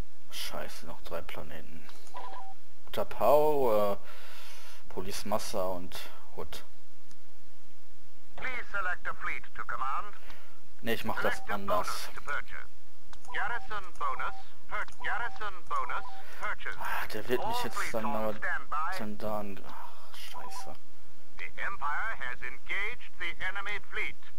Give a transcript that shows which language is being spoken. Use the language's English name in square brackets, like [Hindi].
[German] Scheiße, noch drei Planeten. Tapau, Polismassa und Hood. [English] Please select a fleet to command. [German] Ne, ich mach [English] select [German] das anders. [English] Garrison bonus. Garrison bonus. [German] Ach, der wird mich jetzt dann aber dann da an. Ach, scheiße. [English] The Empire has engaged the enemy fleet.